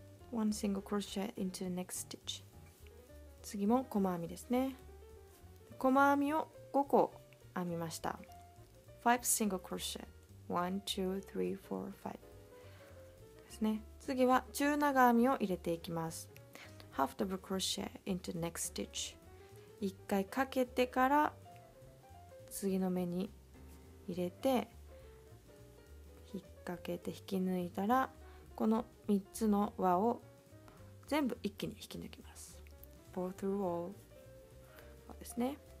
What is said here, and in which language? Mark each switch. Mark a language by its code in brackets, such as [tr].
[en] One single crochet into the next stitch. [ja] 次も細編みですね。細編みを5個編みました。 [en] 5 single crochet. 1, 2, 3, 4, 5. [ja] ですね。次は中長編みを入れていきます。 [en] Half double crochet into the next stitch. [ja] 一回かけてから次の目に入れて引っ掛けて引き抜いたら、この3つの輪を全部一気に引き抜きます。 [en] Both row [ja] ですね。